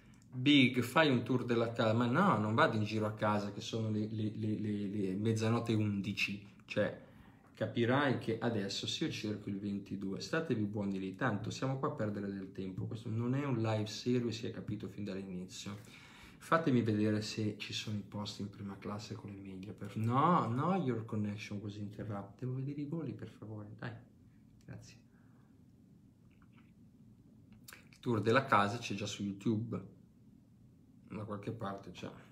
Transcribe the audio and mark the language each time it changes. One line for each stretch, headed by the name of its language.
Italian: Big, fai un tour della casa. Ma no, non vado in giro a casa che sono le mezzanotte 11. Cioè, capirai che adesso se io cerco il 22, statevi buoni lì, tanto siamo qua a perdere del tempo. Questo non è un live service, si è capito fin dall'inizio. Fatemi vedere se ci sono i posti in prima classe con le miglia.
English: No, no, your connection was interrupted.
Italian: Devo vedere i voli, per favore. Dai, grazie. Il tour della casa c'è già su YouTube. Da qualche parte c'è.